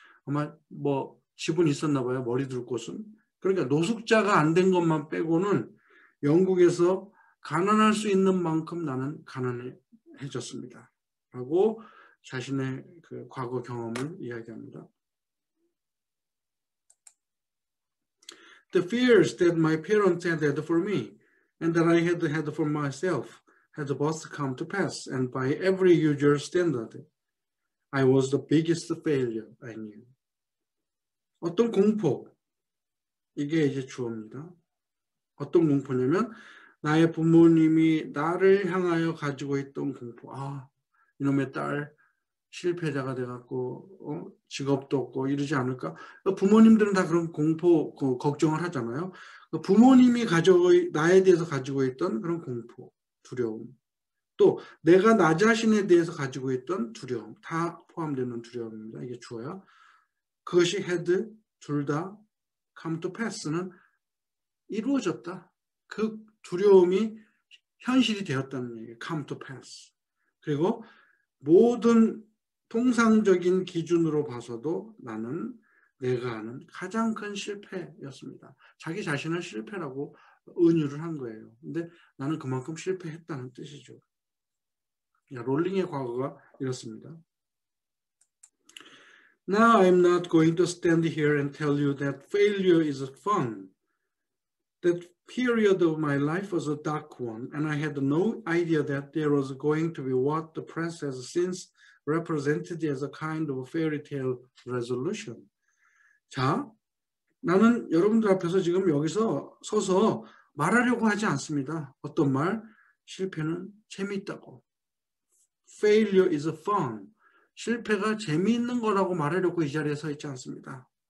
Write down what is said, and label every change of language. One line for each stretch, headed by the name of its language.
Korean: 아마 뭐 집은 있었나 봐요. 머리 둘 곳은. 그러니까 노숙자가 안된 것만 빼고는 영국에서 가난할 수 있는 만큼 나는 가난해졌습니다. 라고 자신의 그 과거 경험을 이야기합니다.
English: The fears that my parents had for me and that I had for myself had both come to pass, and by every usual standard, I was the biggest failure I knew.
Korean: 어떤 공포, 이게 이제 주어입니다. 어떤 공포냐면, 나의 부모님이 나를 향하여 가지고 있던 공포. 아, 이놈의 딸, 실패자가 돼갖고, 직업도 없고 이러지 않을까? 부모님들은 다 그런 공포, 걱정을 하잖아요. 부모님이 나에 대해서 가지고 있던 그런 공포, 두려움. 또, 내가 나 자신에 대해서 가지고 있던 두려움. 다 포함되는 두려움입니다. 이게 주어야. 그것이 had, 둘 다,
English: come to pass
Korean: 는 이루어졌다. 그 두려움이 현실이 되었다는 얘기예요.
English: come to pass.
Korean: 그리고 모든 통상적인 기준으로 봐서도 나는 내가 하는 가장 큰 실패였습니다. 자기 자신을 실패라고 은유를 한 거예요. 근데 나는 그만큼 실패했다는 뜻이죠. 야, 롤링의 과거가 이렇습니다.
English: Now I'm not going to stand here and tell you that failure is fun. That period of my life was a dark one, and I had no idea that there was going to be what the press has since represented as a kind of a fairy tale resolution.
Korean: 자, 나는 여러분들 앞에서 지금 여기서 서서 말하려고 하지 않습니다. 어떤 말? 실패는 재미있다고.
English: Failure is fun.
Korean: 실패가 재미있는 거라고 말하려고 이 자리에 서 있지 않습니다.